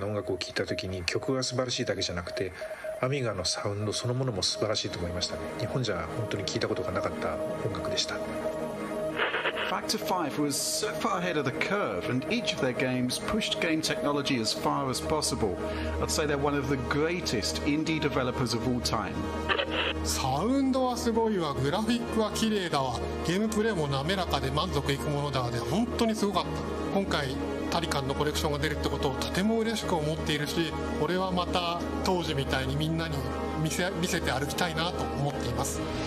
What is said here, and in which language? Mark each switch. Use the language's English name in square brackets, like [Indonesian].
[Japanese] 最初タリカの音楽を聴いた時に曲が素晴らしいだけじゃなくて、 アミガのサウンドそのものも素晴らしいと思いましたね。日本じゃ本当に聞いたことがなかった音楽でした。 [English] Factor 5 was so far ahead of the curve, and each of their games pushed game technology as far as possible. I'd say they're one of the greatest indie developers of all time. [Japanese] サウンドはすごいわ、グラフィックは綺麗だわ、ゲームプレイも滑らかで満足いくものだわ、本当にすごかった。今回タリカンのコレクションが出るってことをとても嬉しく思っているし、これはまた当時みたいにみんなに見せて歩きたいなと思っています。